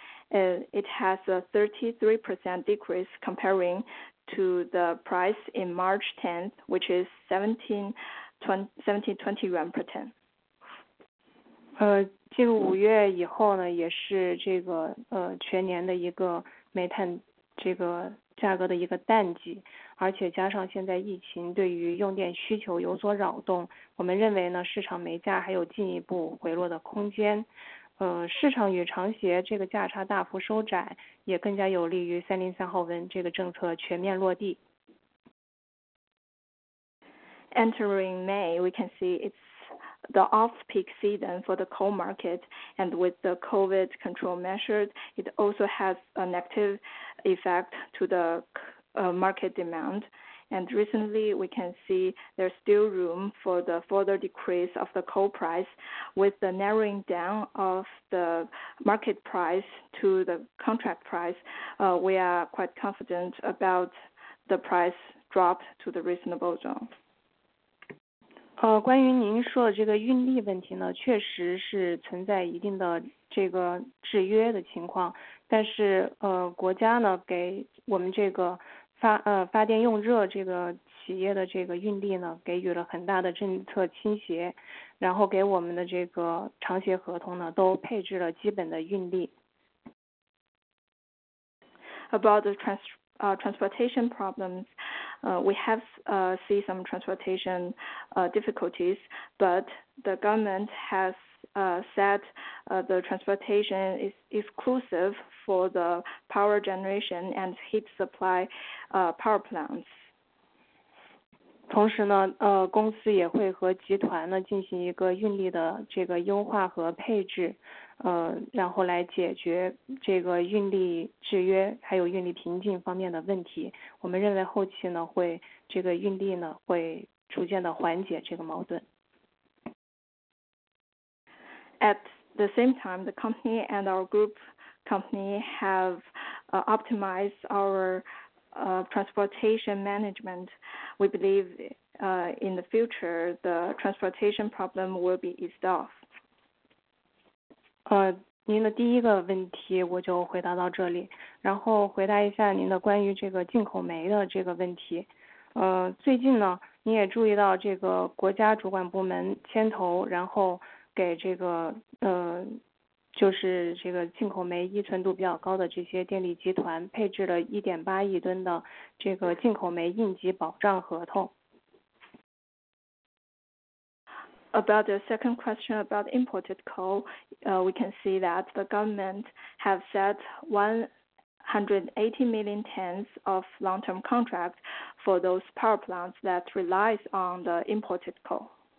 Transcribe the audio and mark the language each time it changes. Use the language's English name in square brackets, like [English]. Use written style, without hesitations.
[English] It has a 33% decrease comparing to the price in March 10th, which is 1720 yuan per ton. [Chinese] 进入五月以后呢，也是这个全年的一个煤炭这个价格的一个淡季，而且加上现在疫情对于用电需求有所扰动，我们认为呢市场煤价还有进一步回落的空间。市场与长协这个价差大幅收窄，也更加有利于303号文这个政策全面落地。 [English] Entering May, we can see it's the off-peak season for the coal market, and with the COVID control measures, it also has a negative effect to the market demand. And recently, we can see there's still room for the further decrease of the coal price with the narrowing down of the market price to the contract price. We are quite confident about the price drop to the reasonable zone. [Chinese] 关于您说的这个运力问题呢，确实是存在一定的这个制约的情况，但是国家呢给我们这个发电用热这个企业的这个运力呢给予了很大的政策倾斜，然后给我们的这个长协合同呢都配置了基本的运力。 [English] About the transportation problems, we have see some transportation difficulties, but the government has said the transportation is exclusive for the power generation and heat supply power plants. [Chinese] 同时呢，公司也会和集团呢进行一个运力的这个优化和配置，然后来解决这个运力制约还有运力瓶颈方面的问题。我们认为后期呢会这个运力呢会逐渐的缓解这个矛盾。 [English] At the same time, the company and our group company have optimized our transportation management. We believe in the future, the transportation problem will be eased off. [Chinese] 您的第一个问题我就回答到这里，然后回答一下您的关于这个进口煤的这个问题。最近呢，你也注意到这个国家主管部门牵头，然后给这个就是这个进口煤依存度比较高的这些电力集团配置了1.8亿吨的这个进口煤应急保障合同。 [English] About the second question about imported coal, we can see that the government have set 180 million tons of long-term contracts for those power plants that relies on the imported coal.